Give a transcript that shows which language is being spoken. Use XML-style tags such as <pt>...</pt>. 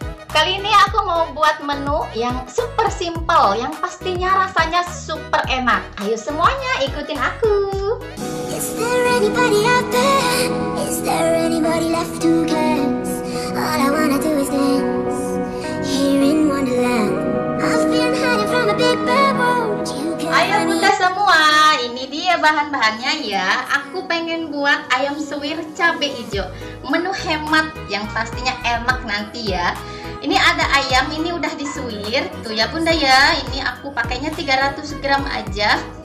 <id>Kali ini aku mau buat menu yang super simple, yang pastinya rasanya super enak. Ayo semuanya ikutin aku.</id> <en>Is there anybody out there? Is there anybody left who cares? All I wanna do is dance here in Wonderland. I've been hiding from a big bad world.</en> <id>Ayo bunda semua, ini dia bahan-bahannya ya. Aku pengen buat ayam suwir cabai hijau, menu hemat yang pastinya enak nanti ya. Ini ada ayam, ini udah disuwir. Tuh ya bunda ya, ini aku pakainya 300 gram aja.</id>